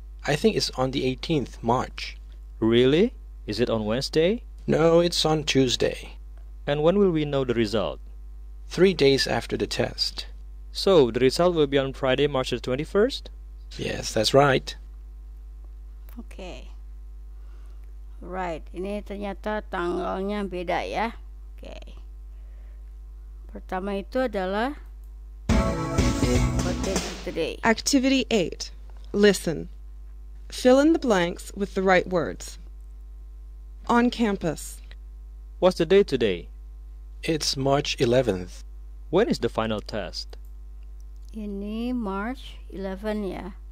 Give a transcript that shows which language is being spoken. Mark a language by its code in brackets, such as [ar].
[en] I think it's on the 18th March. Really? Is it on Wednesday? No, it's on Tuesday. And when will we know the result? 3 days after the test. So the result will be on Friday, March the 21st? Yes, that's right. Okay. [id] Right, ini ternyata tanggalnya beda ya. Okay. Pertama itu adalah [en] what date is today? Activity 8. Listen. Fill in the blanks with the right words. On campus. What's the date today? It's March 11th. When is the final test? [id] Ini March 11 ya.